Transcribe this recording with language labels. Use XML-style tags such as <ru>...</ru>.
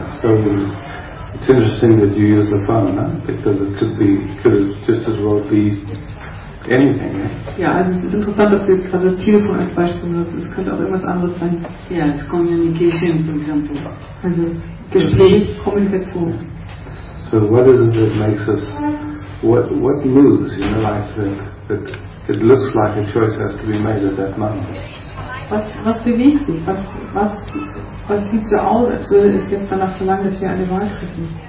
<en>It's interesting that you use the phone, huh? Because it could just as well be anything.</en> <de>Ja, also es ist interessant, dass wir jetzt gerade das Telefon als Beispiel nutzen. Es könnte auch irgendwas anderes sein.</de> <en>Ja, it's communication, for example.</en> <de>Also Gespräch, Kommunikation.</de> <en>So what is it that makes us, what moves, you know, like that it looks like a choice has to be made at that moment?</en> <de>Was bewegt sich? Was sieht so aus, als würde es jetzt danach verlangen, dass wir eine Wahl treffen?</de>